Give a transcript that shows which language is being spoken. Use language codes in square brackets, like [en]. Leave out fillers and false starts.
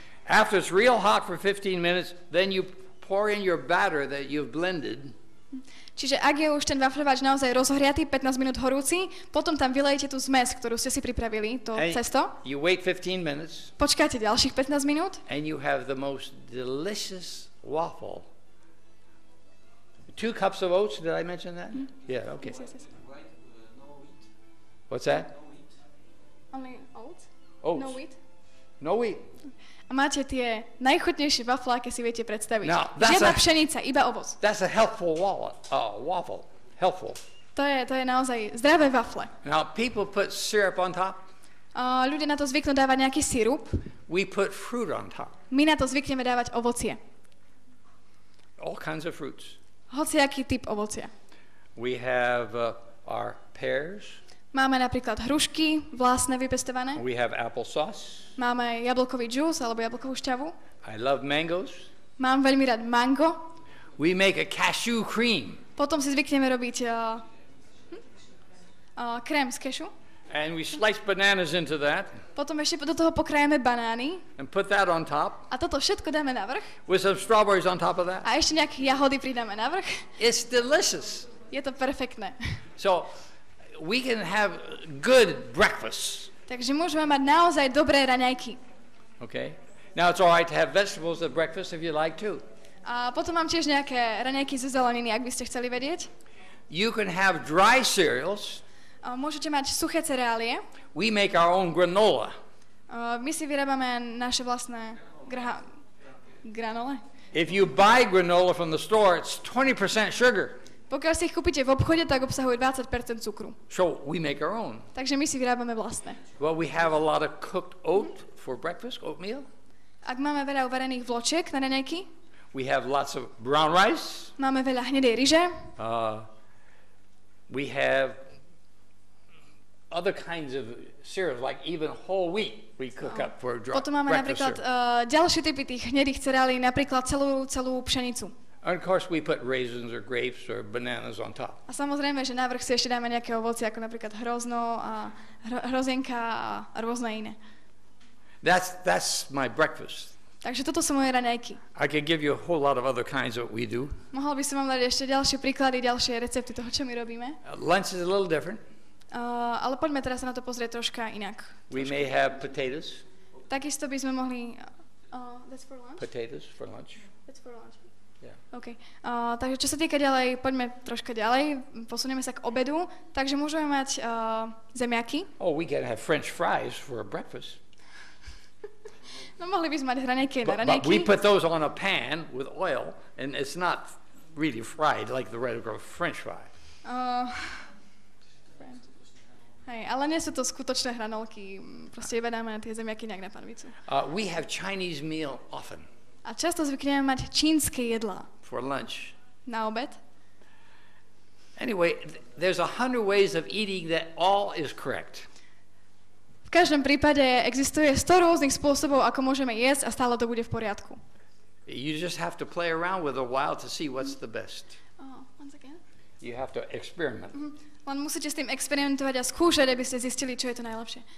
[en] After it's real hot for 15 minutes, then you pour in your batter that you've blended. [sk] Čiže ak je už ten vafľovač naozaj rozohriatý, 15 minút horúci, potom tam vylejete tú zmes, ktorú ste si pripravili, to cesto. [en] You wait 15 minutes. [sk] Počkáte ďalších 15 minút. [en] And you have the most delicious waffle. Two cups of oats, did I mention that? Yeah, okay. What's that? Only oats? Oats. No wheat? No wheat. [sk] A máte tie najchutnejšie wafle, aké si viete predstaviť. [en] Now, [sk] žiadna pšenica, iba ovoc. [en] That's a helpful waffle. Helpful. [sk] To je naozaj zdravé wafle. [en] Now, people put syrup on top. [sk] Ľudia na to zvyknú dávať nejaký sirup. [en] We put fruit on top. [sk] My na to zvykneme dávať ovocie. [en] All kinds of fruits. [sk] Hociaký typ ovocia. [en] We have our pears. [sk] Máme napríklad hrušky, vlastne vypestované. [en] We have applesauce. [sk] Máme jablkový džús alebo jablkovú šťavu. [en] I love mangoes. [sk] Mám veľmi rád mango. [en] We make a cashew cream. [sk] Potom si zvykneme robiť krém z kešu. [en] And we slice bananas into that. [sk] Potom ešte do toho pokrajeme banány. [en] And put that on top. [sk] A toto všetko dáme na vrch. [en] With some strawberries on top of that. [sk] A ešte nejaké jahody pridáme na vrch. [en] It's delicious. [sk] Je to perfektné. [en] So we can have good breakfast. [sk] Takže môžeme mať naozaj dobré raňajky. [en] Okay. Now it's all right to have vegetables at breakfast if you like too. [sk] A potom mám tiež nejaké raňajky zo zeleniny, ak by ste chceli vedieť. [en] You can have dry cereals. [sk] Môžete mať suché cereálie. [en] We make our own granola. [sk] My si vyrábame naše vlastné granole. [en] If you buy granola from the store, it's 20% sugar. [sk] Pokiaľ si ich kúpite v obchode, tak obsahuje 20% cukru. [en] So we make our own. [sk] Takže my si vyrábame vlastné. [en] Well, we have a lot of cooked oat for breakfast, oatmeal. [sk] Ak máme veľa uvarených vločiek na raňajky. [en] We have lots of brown rice. [sk] Máme veľa hnedej ryže. [en] We have other kinds of cereals, like even whole wheat we cook up for breakfast. [sk] Potom máme napríklad ďalšie typy tých hnedých cereálií, napríklad celú pšenicu. [en] And of course we put raisins or grapes or bananas on top. [sk] A samozrejme, že na vrch si ešte dáme nejaké ovocie, ako napríklad hrozno a hrozienka a rôzne iné. [en] That's my breakfast. [sk] Takže toto sú moje raňajky. [en] I can give you a whole lot of other kinds of what we do. [sk] Mohol by som vám dať ešte ďalšie príklady, ďalšie recepty toho, čo my robíme. [en] Lunch is a little different. [sk] Ale poďme teraz sa na to pozrieť troška inak. [en] We may have potatoes. [sk] Takisto by sme mohli [en] That's for lunch. Potatoes for lunch. That's for lunch. Yeah. Okay. [sk] Takže čo sa týka ďalej, poďme troška ďalej, posuneme sa k obedu. Takže môžeme mať zemiaky. [en] Oh, we can have French fries for breakfast. [sk] No mohli by sme mať hranieky na hranieky. [en] But we put those on a pan with oil and it's not really fried like the regular French fry. [sk] Hej, ale nie sú to skutočné hranolky. Proste iba dáme na tie zemiaky nejak na panvicu. [en] We have Chinese meal often. [sk] A často zvykneme mať čínske jedlá. [en] For lunch. [sk] Na obed. [en] Anyway, there's 100 ways of eating that all is correct. [sk] V každom prípade existuje 100 rôznych spôsobov, ako môžeme jesť a stále to bude v poriadku. [en] You just have to play around with a while to see what's the best. You have to experiment. Mm-hmm. [sk] Len musíte s tým experimentovať a skúšať, aby ste zistili, čo je to najlepšie.